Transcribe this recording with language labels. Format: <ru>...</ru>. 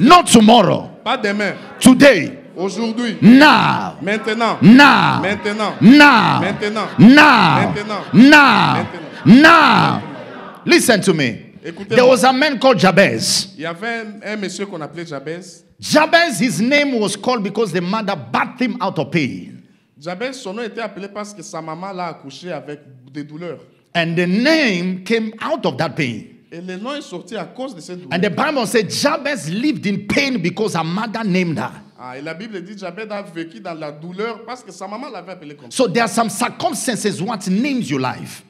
<en>Not tomorrow.</en> <fr>Pas demain.</fr> <en>Today.</en> <fr>Aujourd'hui.</fr> <en>Now.</en> <fr>Maintenant.</fr> <en>Now.</en> <fr>Maintenant.</fr> <en>Now.</en> <fr>Maintenant.</fr> <en>Now.</en> <fr>Maintenant.</fr> <en>Now.</en> <fr>Maintenant.</fr> <en>Now. Listen to me.</en> <fr>Écoutez.</fr> <en>There was a man called Jabez.</en> <fr>Il y avait un monsieur qu'on appelait Jabez.</fr> <en>Jabez, his name was called because the mother bathed him out of pain.</en> <fr>Jabez, son nom était appelé parce que sa maman l'a accouché avec des douleurs.</fr> <en>And the name came out of that pain.</en> <fr>Et le nom est sorti à cause de cette douleur.</fr> <en>And the Bible said Jabez lived in pain because her mother named her.</en> <fr>Ah, et la Bible dit Jabez a vécu dans la douleur parce que sa maman l'avait appelé comme ça.</fr> <en>So there are some circumstances what names your life.</en>